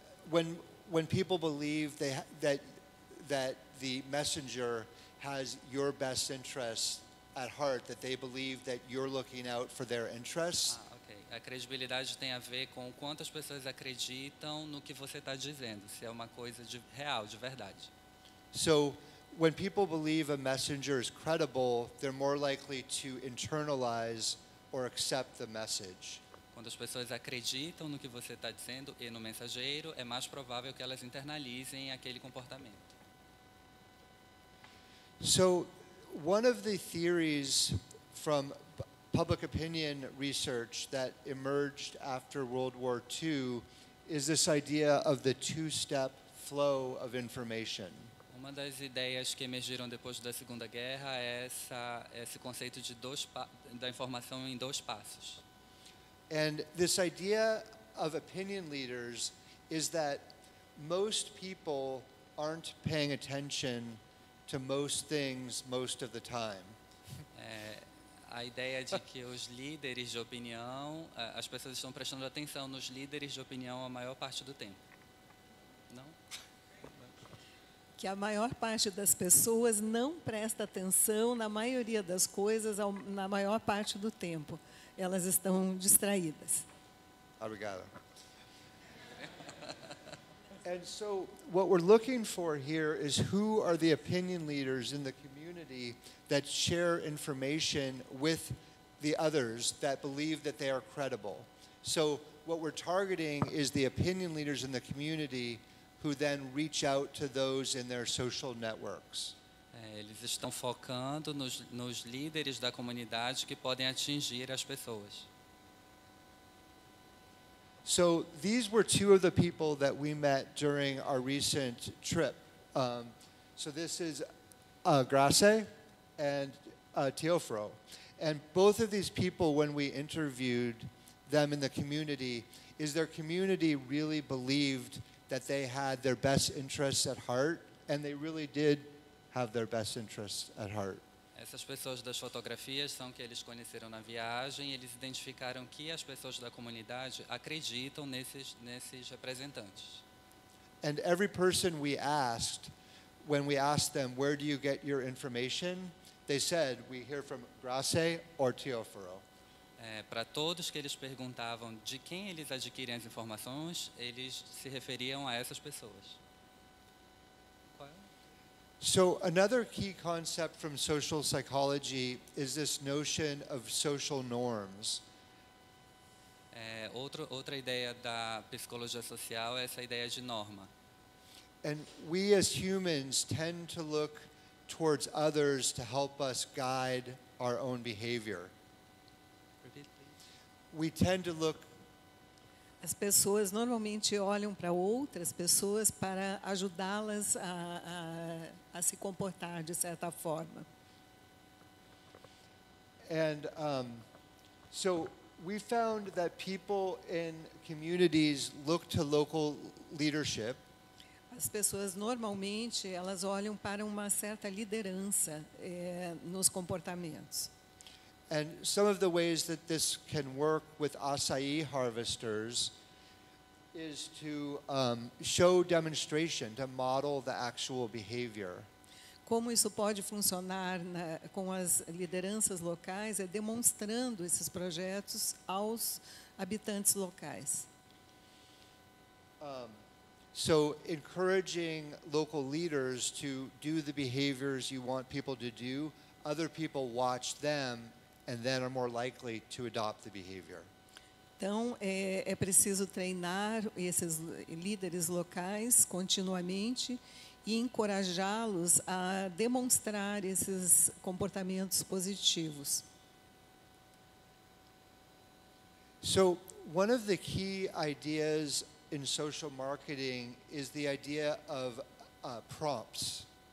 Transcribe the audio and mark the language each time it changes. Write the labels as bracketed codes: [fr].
[en] When people believe that the messenger has your best interests at heart, that they believe that you're looking out for their interests. Ah, okay. [pt] A credibilidade tem a ver com quantas pessoas acreditam no que você está dizendo, se é uma coisa de real, de verdade. [en] So, when people believe a messenger is credible, they're more likely to internalize or accept the message. [pt] Quando as pessoas acreditam no que você está dizendo e no mensageiro, é mais provável que elas internalizem aquele comportamento. [en] So, one of the theories from public opinion research that emerged after World War II is this idea of the two-step flow of information. [pt] Uma das ideias que emergiram depois da Segunda Guerra é esse conceito de da informação em dois passos. [en] And this idea of opinion leaders is that most people aren't paying attention to most things most of the time. [pt] A ideia de que os líderes de opinião, as pessoas estão prestando atenção nos líderes de opinião a maior parte do tempo. Não? Que a maior parte das pessoas não presta atenção na maioria das coisas na maior parte do tempo. Elas estão distraídas. Obrigado. [en] And so what we're looking for here is who are the opinion leaders in the community that share information with the others that believe that they are credible. So what we're targeting is the opinion leaders in the community who then reach out to those in their social networks. [pt] Eles estão focando nos líderes da comunidade que podem atingir as pessoas. [en] So these were two of the people that we met during our recent trip. So this is Grace and Teofro. And both of these people, when we interviewed them in the community, is their community really believed that they had their best interests at heart, and they really did have their best interests at heart. [pt] Essas pessoas das fotografias são que eles conheceram na viagem e eles identificaram que as pessoas da comunidade acreditam nesses representantes. [en] And every person we asked, when we asked them, where do you get your information? They said, we hear from Grace or Teofro. [pt] Para todos que eles perguntavam de quem eles adquirem as informações, eles se referiam a essas pessoas. [en] So another key concept from social psychology is this notion of social norms. [pt] Outra ideia da psicologia social é essa ideia de norma. [en] And we as humans tend to look towards others to help us guide our own behavior. We tend to look. [pt] As pessoas normalmente olham para outras pessoas para ajudá-las a se comportar de certa forma. [en] And so we found that people in communities look to local leadership. [pt] As pessoas normalmente elas olham para uma certa liderança nos comportamentos. [en] And some of the ways that this can work with açaí harvesters is to show demonstration, to model the actual behavior. [pt] Como isso pode funcionar com as lideranças locais é demonstrando esses projetos aos habitantes locais. [en] So encouraging local leaders to do the behaviors you want people to do, other people watch them and then are more likely to adopt the behavior. [pt] Então, é preciso treinar esses líderes locais continuamente e encorajá-los a demonstrar esses comportamentos positivos. [en] So, one of the key ideas in social marketing is the idea of prompts.